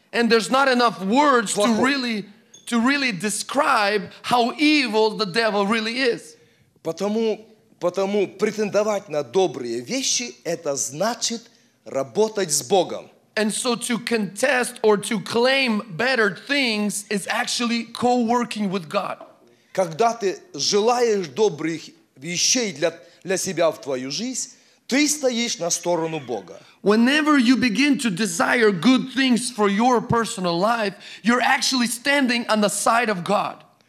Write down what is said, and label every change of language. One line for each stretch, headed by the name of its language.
English: And there's not enough words to really describe how evil the devil really is.
Russian: Потому претендовать на добрые вещи это значит работать с Богом.
English: And so to contest or to claim better things is actually co-working with God.
Russian: Когда ты желаешь добрых вещей для себя в твою жизнь, ты стоишь на сторону Бога.
English: Whenever you begin to desire good things for your personal life, you're actually standing on the side of God.